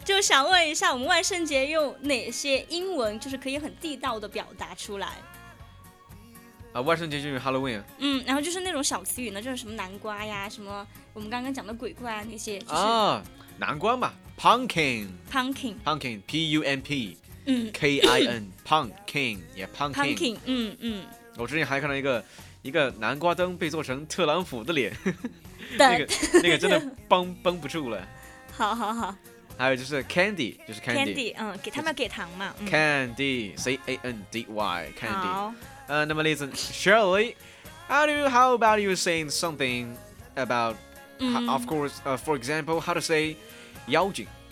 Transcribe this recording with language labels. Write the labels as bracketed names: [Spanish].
[Chinese] 就想问一下，我们万圣节用哪些英文就是可以很地道的表达出来啊？万圣节就是 Halloween。然后就是那种小词语呢，就是什么南瓜呀，什么我们刚刚讲的鬼怪啊那些，就是，南瓜嘛。Pumpkin, [English] pumpkin, pumpkin, P-U-M-P, K-I-N, pumpkin, yeah, pumpkin, pumpkin, [Chinese] 我之前还看到一个南瓜灯被做成特朗普的脸，那个真的绷不住了。好好好。还有就是 candy， 就是 candy， 给他们给糖嘛。 [English] candy, C-A-N-D-Y, candy。 [Chinese] 那么例子 [English] ，Shirley, how about you saying something about, of course, for example, how to say。妖精，